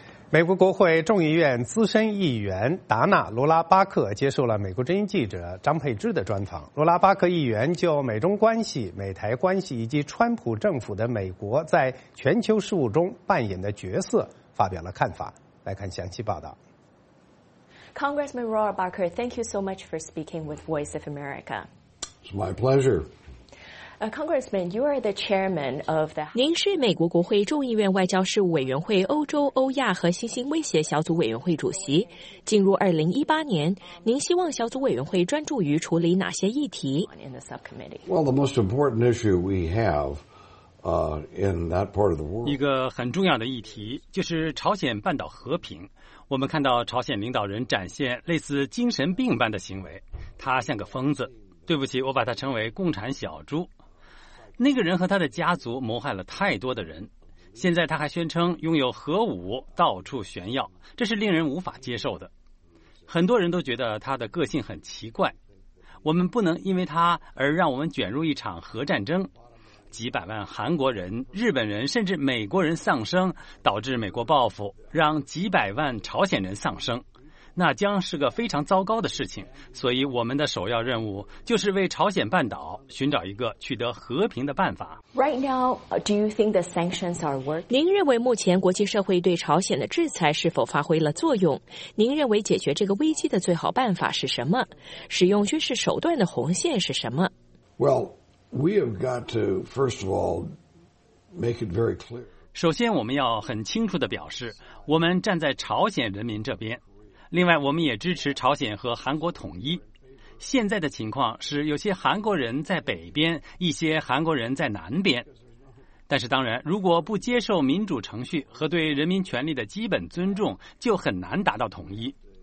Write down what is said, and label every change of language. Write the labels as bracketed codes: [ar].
[zh] 美国国会众议院资深议员达纳·罗拉巴克接受了美国之音记者张佩芝的专访。罗拉巴克议员就美中关系、美台关系以及川普政府的美国在全球事务中扮演的角色发表了看法，来看详细报道。 [en] Congressman Roy Barker, thank you so much for speaking with Voice of America. It's my pleasure. Congressman, you are the chairman of the. [zh] 您是美国国会众议院外交事务委员会欧洲、欧亚和新兴威胁小组委员会主席。进入2018年，您希望小组委员会专注于处理哪些议题 [en] ？In the subcommittee. Well, the most important issue we have, in that part of the world. [zh] 一个很重要的议题就是朝鲜半岛和平。我们看到朝鲜领导人展现类似精神病般的行为，他像个疯子。对不起，我把他称为共产小猪。那个人和他的家族谋害了太多的人，现在他还宣称拥有核武，到处炫耀，这是令人无法接受的。很多人都觉得他的个性很奇怪，我们不能因为他而让我们卷入一场核战争。几百万韩国人、日本人甚至美国人丧生，导致美国报复，让几百万朝鲜人丧生，那将是个非常糟糕的事情，所以我们的首要任务就是为朝鲜半岛寻找一个取得和平的办法。 [en] Right now, do you think the sanctions are working? [zh] 您认为目前国际社会对朝鲜的制裁是否发挥了作用？您认为解决这个危机的最好办法是什么？使用军事手段的红线是什么 [en] ？Well, we have got to first of all make it very clear. [zh] 首先，我们要很清楚地表示，我们站在朝鲜人民这边。另外，我们也支持朝鲜和韩国统一。现在的情况是，有些韩国人在北边，一些韩国人在南边。但是，当然，如果不接受民主程序和对人民权利的基本尊重，就很难达到统一。